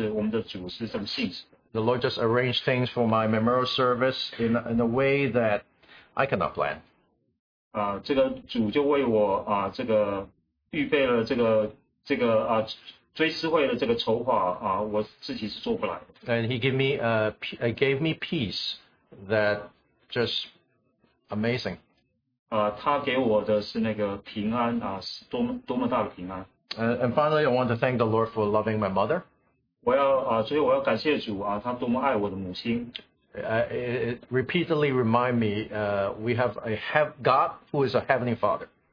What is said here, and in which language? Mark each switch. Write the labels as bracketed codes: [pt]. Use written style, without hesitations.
[zh] 但是就像他提醒我，好像到时候我已经不能处理了，但是我们的主是这么信实的。 [en] The Lord just arranged things for my memorial service in a way that I cannot plan. [zh] 这个主就为我预备了这个。这个追思会的这个筹划，我自己是做不来的。 [en] And he gave me gave me peace that just amazing. [zh] 他给我的是那个平安，多么大的平安。 [en] And finally, I want to thank the Lord for loving my mother. [zh] 我要最后我要感谢主，他多么爱我的母亲。 [en] repeatedly remind me, we have a God who is a Heavenly Father.